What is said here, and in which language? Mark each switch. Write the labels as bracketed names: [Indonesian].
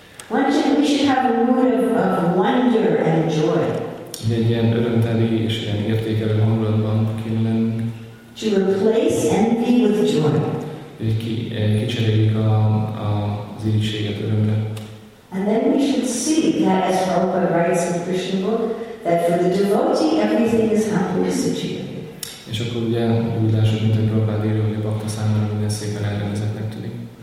[English] We should have a mood of wonder and joy. [Hungarian] Egy ilyen örömteli és ilyen értékelő hangulatban kellene. [English] To replace envy with joy. [Hungarian] Hogy kicseréljük az irigységet örömre. [English] And then we should see that, as Prabhupada writes in the Krishna book, that for the devotee everything is happily situated. [Hungarian] És akkor ugye úgy lássuk, mint hogy Prabhupada írja, hogy a bhakta számára minden szépen elrendezettnek tűnik.